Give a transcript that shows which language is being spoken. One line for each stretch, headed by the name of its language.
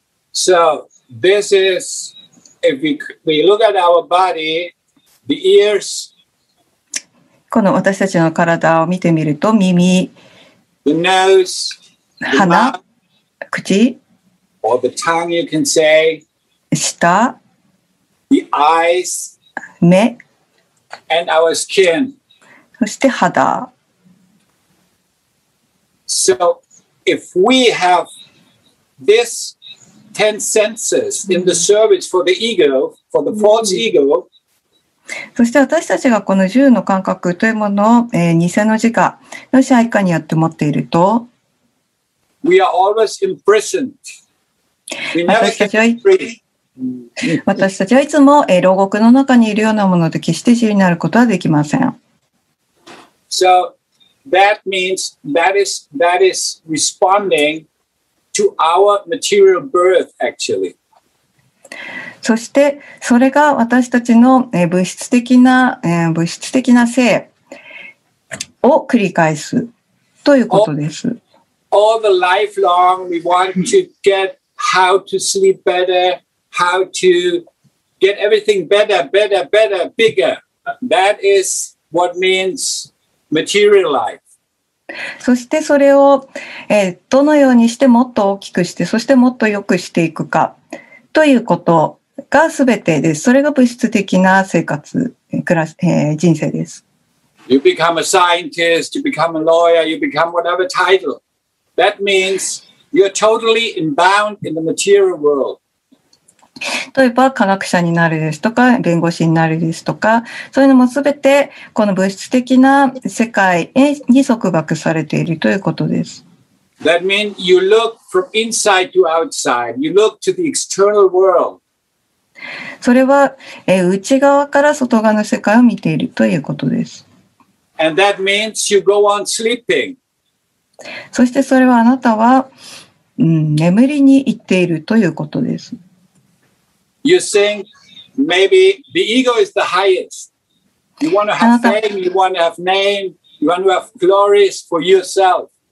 English: So this is, if we look at our body, the ears,
Japanese: この私たちの体を見てみると、耳、
English: the nose,
Japanese: 鼻、口、
English: or the tongue, you can say,
Japanese: 舌、
English: the eyes,
Japanese: 目、
English: and our skin.
Japanese: そして肌。
English: So, if we have this ten senses in the service for the ego, for the false ego,
Japanese: そして私たちがこの十の感覚というものを、偽の自我の支配下にやって持っていると
English: We are always imprisoned. We never get free.
Japanese: 私たちはいつも、牢獄の中にいるようなもので決して自由になることはできません。
English: So that means that is responding to our material birth actually.
Japanese: そしてそれが私たちの物質的な物質的な性を繰り返すということです。
English: All the life long we want to get how to sleep better, how to get everything better, better, better, bigger. That is what means material life.
Japanese: そしてそれをどのようにしてもっと大きくして、そしてもっと良くしていくかということ。が全てです。それが物質的な生活、暮らし、人生です。
English: You become a scientist, you become a lawyer, you become whatever title. That means you're totally inbound in the material world.
Japanese: 例えば科学者になるですとか、弁護士になるですとか、そういうのも全てこの物質的な世界に束縛されているということです。
English: That means you look from inside to outside. You look to the external world.
Japanese: それは、内側から外側の世界を見ているということです。
English: And that means you go on sleeping.
Japanese: そしてそれはあなたは、眠りに行っているということです。
English: You think maybe the ego is the highest. You want to have fame, you want to have name, you want to have glory for yourself.